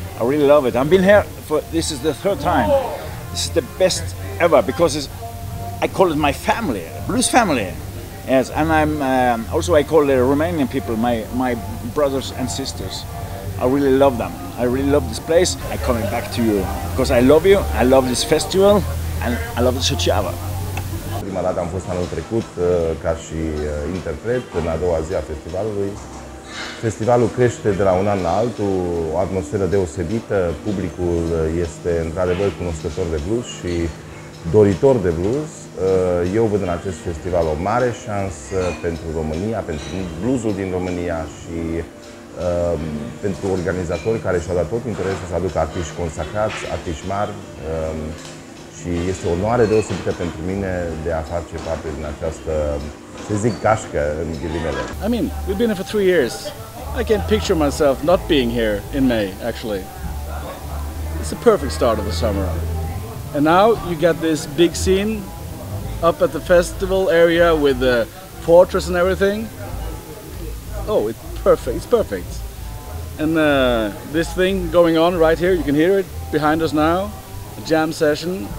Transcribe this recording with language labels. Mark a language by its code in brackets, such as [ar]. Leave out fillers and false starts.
[en] I really love it. I've been here for, this is the third time. This is the best ever because it's, I call it my family, blues family. Yes, and I'm also I call the Romanian people my brothers and sisters. I really love them. I really love this place. I'm coming back to you because I love you. I love this festival and I love the Suceava. [ro] Prima dată am fost anul trecut ca și interpret în a doua zi a festivalului. Festivalul crește de la un an la altul, o atmosferă deosebită. Publicul este într-adevăr cunoscător de blues și doritor de blues. Eu văd în acest festival o mare șansă pentru România, pentru bluesul din România și pentru organizatori care și-au dat tot interesul să aducă artiști consacrați, artiști mari. Și este o onoare deosebită pentru mine de a face parte din această, să zic, cașcă, în ghilimele. [en] I mean, we've been here for 3 years. I can't picture myself not being here in May, actually. It's a perfect start of the summer. And now you get this big scene up at the festival area with the fortress and everything. Oh, it's perfect, it's perfect. And this thing going on right here, you can hear it behind us now, a jam session.